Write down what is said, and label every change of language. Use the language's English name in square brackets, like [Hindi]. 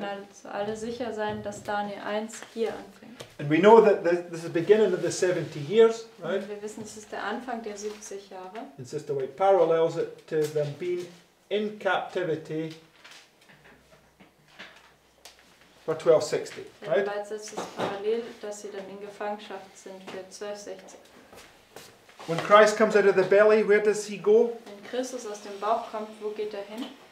[German] Wir können also alle sicher sein, dass Daniel 1 hier anfängt. [English] And we know that this is the beginning of the 70 years, right? [German] Und wir wissen, es ist der Anfang der 70 Jahre. [English] And Sister White parallels it to them being in captivity for 1260, right? [German] Und jetzt ist parallel, dass sie dann in Gefangenschaft sind für 1260. [English] When Christ comes out of the belly, where does he go? [German] Wenn Christus aus dem Bauch kommt, wo geht er hin?